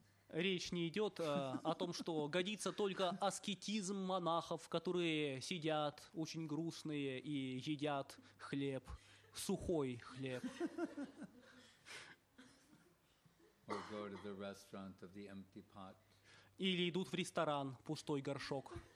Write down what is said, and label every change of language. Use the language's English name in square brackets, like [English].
[Russian] Речь не идет о том, что годится только аскетизм монахов, которые сидят очень грустные и едят хлеб, сухой хлеб. [English] Or go to the restaurant of the empty pot. [Russian] Или идут в ресторан, пустой горшок.